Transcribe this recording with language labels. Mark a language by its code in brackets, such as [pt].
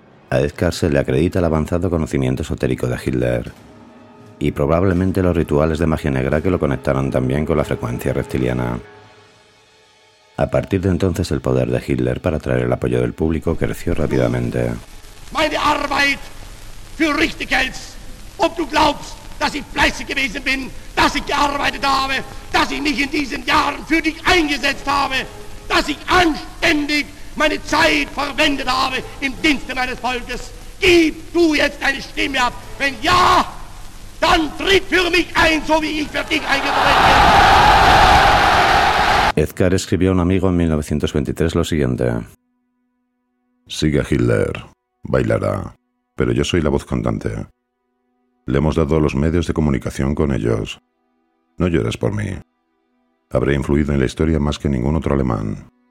[es] A Eckart se le acredita el avanzado conocimiento esotérico de Hitler y probablemente los rituales de magia negra que lo conectaron también con la frecuencia reptiliana. A partir de entonces, el poder de Hitler para atraer el apoyo del público creció rápidamente. [de] Meine Arbeit für richtig hältst, ob du glaubst, dass ich fleißig gewesen bin, dass ich gearbeitet habe, dass ich mich in diesen Jahren für dich eingesetzt habe, dass ich anständig meine Zeit verwendet habe im Dienste meines Volkes. Gib du jetzt deine Stimme ab. Wenn ja, dann tritt für mich ein, so wie ich für dich eingetreten bin. [es] Eckart escribió a un amigo en 1923 lo siguiente. Sigue a Hitler, bailará, pero yo soy la voz cantante. Le hemos dado los medios de comunicación con ellos. No llores por mí. Habré influido en la historia más que ningún otro alemán.